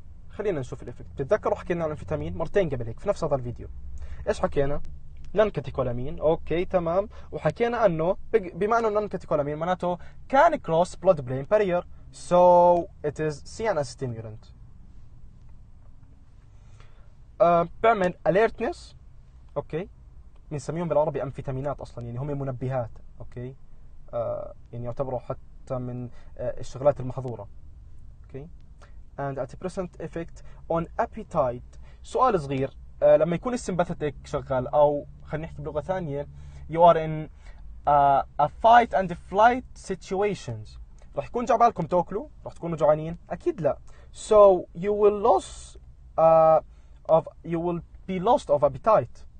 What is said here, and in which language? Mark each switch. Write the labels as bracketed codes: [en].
[ar] خلينا نشوف الافكت. بتتذكروا حكينا عن الفيتامين مرتين قبل هيك في نفس هذا الفيديو، ايش حكينا؟ نان كاتيكولامين، اوكي تمام، وحكينا انه بما انه نان كاتيكولامين معناته كان كروس بلود برين بارير، سو ات از سي ان اس ستيميولنت. بعمل alertness، اوكي بنسميهم بالعربي امفيتامينات اصلا، يعني هم منبهات، اوكي يعني يعتبروا حتى من الشغلات المحظوره. [en] Okay and antidepressant effect on appetite. [ar] سؤال صغير، لما يكون السمباثيتك شغال، او خلينا نحكي بلغه ثانيه، [en] you are in a fight and flight situations، [ar] راح يكون جعبالكم تاكلوا؟ راح تكونوا جوعانين؟ اكيد لا. [en] So you will lose of you will be lost of appetite.